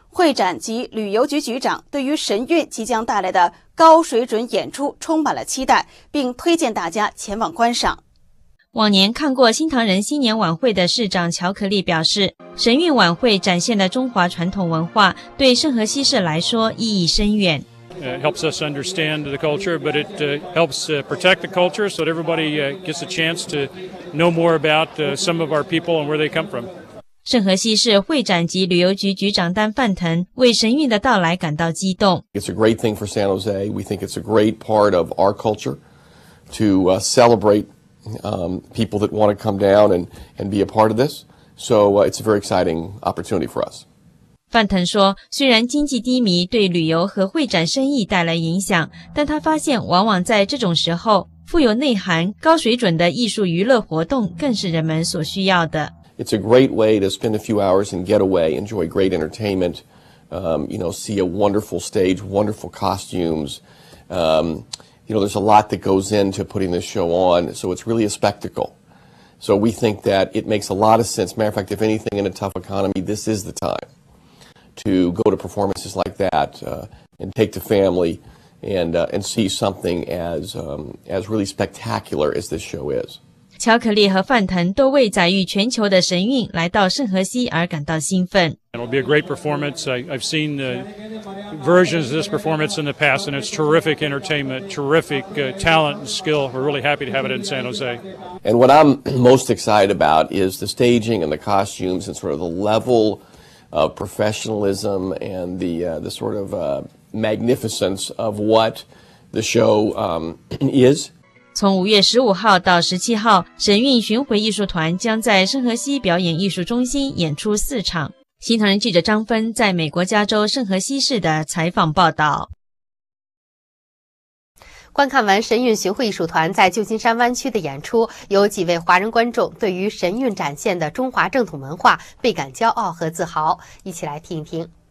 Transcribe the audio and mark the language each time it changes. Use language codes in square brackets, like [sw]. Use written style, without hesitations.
[zh] 会展及旅游局局长对于神韵即将带来的高水准演出充满了期待，并推荐大家前往观赏。往年看过新唐人新年晚会的市长乔可利表示，神韵晚会展现了中华传统文化，对圣何西市来说意义深远。 [en] It helps us understand the culture, but it helps protect the culture so that everybody gets a chance to know more about some of our people and where they come from. [zh] 圣何西市会展及旅游局局长丹范腾为神韵的到来感到激动。 [en] It's a great thing for San Jose. We think it's a great part of our culture to celebrate. People that want to come down and be a part of this. So it's a very exciting opportunity for us. [zh] 范腾说，虽然经济低迷对旅游和会展生意带来影响，但他发现往往在这种时候，富有内涵、高水准的艺术娱乐活动更是人们所需要的。 [en] It's a great way to spend a few hours and get away, enjoy great entertainment, see a wonderful stage, wonderful costumes, there's a lot that goes into putting this show on, so it's really a spectacle. So we think that it makes a lot of sense. Matter of fact, if anything, in a tough economy, this is the time to go to performances like that, and take the family and see something as really spectacular as this show is. [zh] 乔可利和范腾都为载誉全球的神韵来到圣何西而感到兴奋。 [en] It'll be a great performance. I've seen the versions of this performance in the past, and it's terrific entertainment, terrific talent and skill. We're really happy to have it in San Jose. And what I'm most excited about is the staging and the costumes and sort of the level of professionalism and the sort of magnificence of what the show is. [zh] 从5月15号到17号，神韵巡回艺术团将在圣何西表演艺术中心演出四场。新唐人记者张芬在美国加州圣何西市的采访报道。观看完神韵巡回艺术团在旧金山湾区的演出，有几位华人观众对于神韵展现的中华正统文化倍感骄傲和自豪，一起来听一听。